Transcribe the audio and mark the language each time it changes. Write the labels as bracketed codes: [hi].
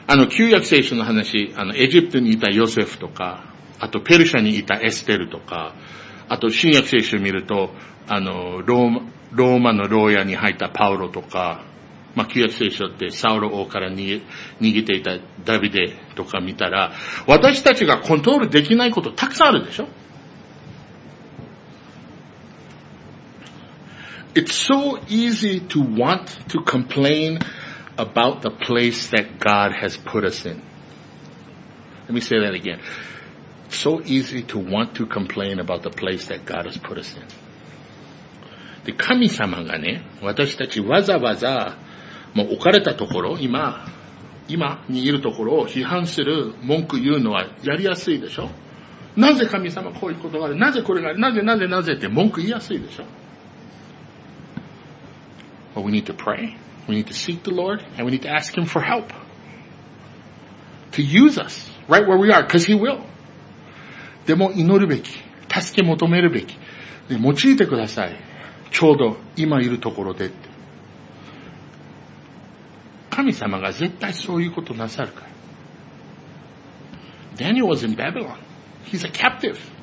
[ja] 旧約聖書の話、エジプトにいたヨセフとか、あとペルシャにいたエステルとか、あと新約聖書を見ると、ローマの牢屋に入ったパウロとか、まあ、旧約聖書ってサウロ王から逃げていたダビデとか見たら、私たちがコントロールできないことたくさんあるでしょ？ [en] It's so easy to want to complain about the place that God has put us in. Let me say that again. It's so easy to want to complain about the place that God has put us in. [ja] で、神様がね、私たちわざわざもう置かれたところ、今にいるところを批判する文句言うのはやりやすいでしょ。なぜ神様こういうことがある、なぜこれがある、なぜなぜなぜって文句言いやすいでしょ。 [en] Well, we need to pray. We need to seek the Lord, and we need to ask Him for help to use us right where we are, because He will. [ja] でも祈るべき、助け求めるべき、で用いてください。ちょうど今いるところで。神様が絶対そういうことなさるから。 [en] Daniel was in Babylon. He's a captive.